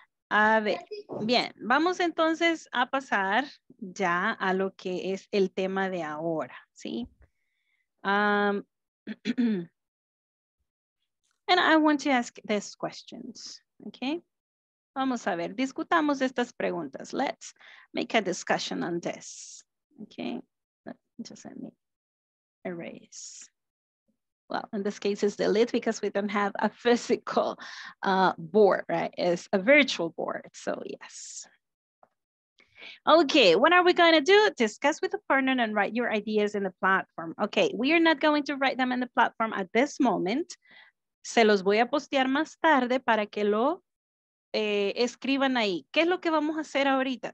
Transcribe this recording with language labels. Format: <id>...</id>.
<es>A ver, bien, vamos entonces a pasar ya a lo que es el tema de ahora, ¿sí?</es> <en>And I want to ask these questions, okay?</en> <es>Vamos a ver, discutamos estas preguntas.</es> <en>Let's make a discussion on this, okay? Just let me erase. Well, in this case, it's delete because we don't have a physical board, right? It's a virtual board, so yes. Okay, what are we going to do? Discuss with a partner and write your ideas in the platform. Okay, we are not going to write them in the platform at this moment.</en> <es>Se los voy a postear más tarde para que lo escriban ahí. ¿Qué es lo que vamos a hacer ahorita?</es>